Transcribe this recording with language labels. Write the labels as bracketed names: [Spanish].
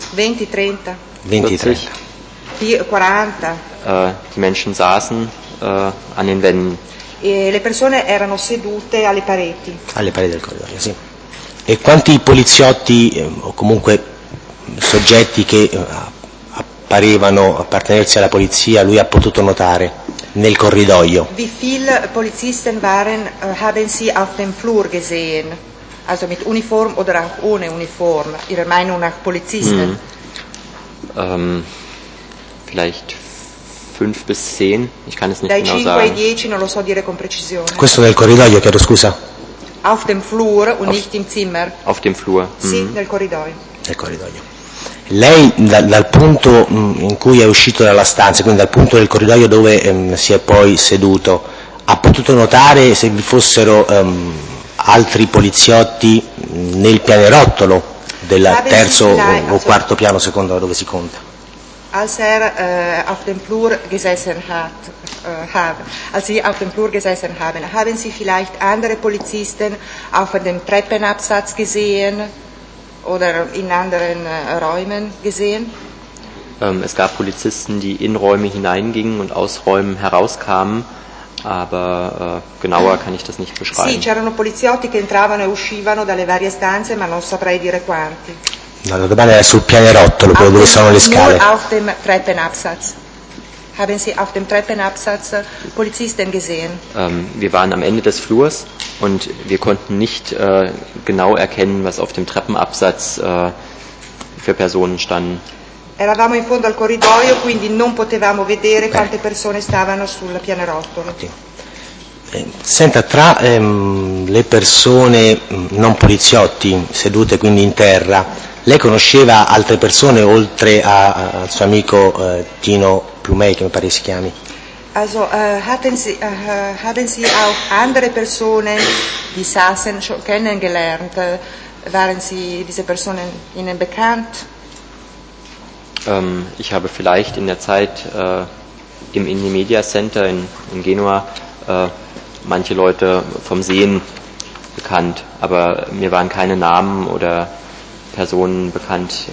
[German] 20, 30. 20, 30. 40. Die Menschen saßen an den Wänden. [Italian] E le persone erano sedute alle pareti. Alle pareti del corridoio, sì. E quanti poliziotti o comunque soggetti che apparevano appartenersi alla polizia lui ha potuto notare nel corridoio? [German] Wie viele Polizisten waren haben Sie auf dem Flur gesehen? Also mit Uniform oder auch ohne Uniform, Ihrer Meinung nach Polizisten? Vielleicht 5 bis 10, ich kann es nicht genau sagen. [Italian] Dai 5 ai 10 non lo so dire con precisione. Questo nel corridoio, chiedo scusa. [German] Auf dem Flur und nicht im Zimmer. Auf dem Flur. [Italian] Sì, nel corridoio. Nel corridoio. Lei dal punto in cui è uscito dalla stanza, quindi dal punto del corridoio dove si è poi seduto, ha potuto notare se vi fossero altri poliziotti nel pianerottolo del terzo o quarto piano, secondo dove si conta? [German] Als er auf dem Flur gesessen hat, als Sie auf dem Flur gesessen haben, haben Sie vielleicht andere Polizisten auf dem Treppenabsatz gesehen oder in anderen Räumen gesehen? Es gab Polizisten, die in Räume hineingingen und aus Räumen herauskamen, aber genauer kann ich das nicht beschreiben. [Italian] Sì, c'erano poliziotti che entravano e uscivano dalle varie stanze, ma non saprei dire quanti. No, la domanda era sul pianerottolo, quello dove sono le scale. [German] Auf dem Treppenabsatz. Haben Sie auf dem Treppenabsatz Polizisten gesehen? Wir waren am Ende des Flurs und wir konnten nicht genau erkennen, was auf dem Treppenabsatz für Personen standen. [Italian] Eravamo in fondo al corridoio, quindi non potevamo vedere quante persone stavano sul pianerottolo. Okay. Senta, tra le persone non poliziotti, sedute quindi in terra, lei conosceva altre persone oltre al suo amico Tino Plumei, che mi pare si chiami? [German] Also, haben Sie auch andere [Italian] persone di [German] Sassen kennengelernt? Waren Sie diese [Italian] persone [German] Ihnen bekannt? Ich habe vielleicht in der Zeit im Indie Media Center in Genua manche Leute vom Sehen bekannt, aber mir waren keine Namen oder Personen bekannt.